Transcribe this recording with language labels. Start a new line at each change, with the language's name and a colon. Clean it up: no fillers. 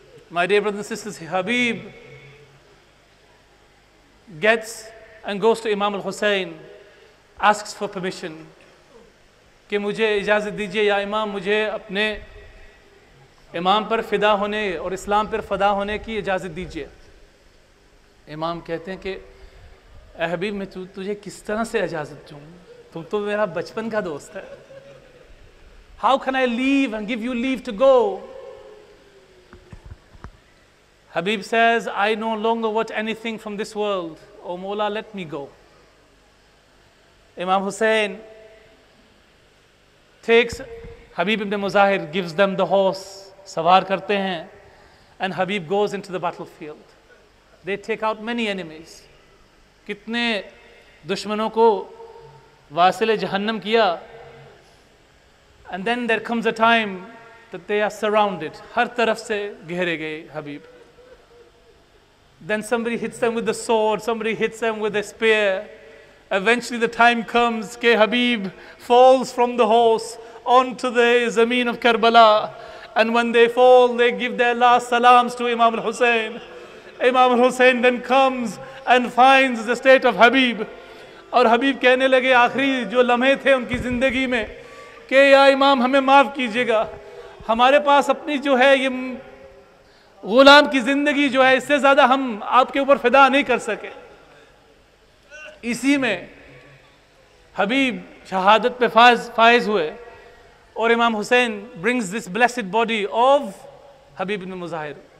English: My dear brothers and sisters, Habib gets and goes to Imam al-Hussein, asks for permission.
Urdu: کہ مجھے اجازت دیجئے یا امام, مجھے اپنے امام پر فدا ہونے اور اسلام پر فدا ہونے کی اجازت دیجئے. امام کہتے ہیں کہ اے حبیب میں تجھے کس طرح سے اجازت دوں, تم تو میرا بچپن کا دوست ہے.
English: How can I leave and give you leave to go? Habib says, I no longer want anything from this world. O Mola, let me go. Imam Hussein takes Habib ibn Muzahir, gives them the horse,
Urdu: سوار کرتے ہیں,
English: and Habib goes into the battlefield. They take out many enemies.
Urdu: کتنے دشمنوں کو واصل جہنم کیا.
English: And then there comes a time that they are surrounded.
Urdu: ہر طرف سے گھیرے گئے حبیب.
English: Then somebody hits them with the sword, somebody hits them with a spear. Eventually the time comes کہ Habib falls from the horse onto the زمین of Karbala. And when they fall, they give their last salams to Imam al-Hussein. Imam al-Hussein then comes and finds the state of Habib.
Urdu: اور حبیب کہنے لگے آخری جو لمحے تھے ان کی زندگی میں کہ یا امام ہمیں معاف کیجئے گا, ہمارے پاس اپنی جو ہے یہ غلام کی زندگی جو ہے اس سے زیادہ ہم آپ کے اوپر فدا نہیں کر سکے. اسی میں حبیب شہادت پہ فائز ہوئے اور امام حسین
English: brings this blessed body of
Urdu: Habib bin Mazahir.